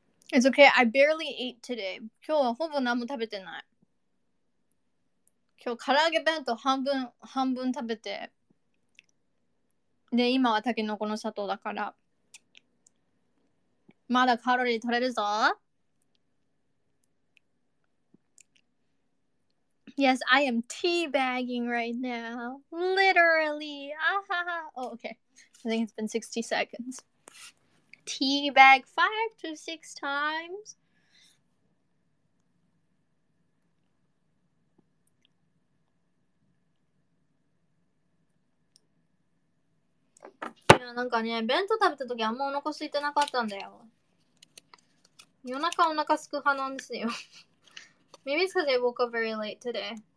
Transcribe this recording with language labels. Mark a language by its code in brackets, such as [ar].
[en] It's okay, I barely ate today. [ja] 今日はほぼ何も食べてない。今日唐揚げ弁当半分食べて。で、今はタケノコの砂糖だから。まだカロリー取れるぞ。 [en] Yes, I am teabagging right now. Literally. Ahaha. Oh, okay. I think it's been 60 seconds. Teabag 5 to 6 times. [ja] いや、なんかね、弁当食べた時あんまお腹空いてなかったんだよ。夜中お腹空く派なんですよ。 [en] Maybe it's because I woke up very late today.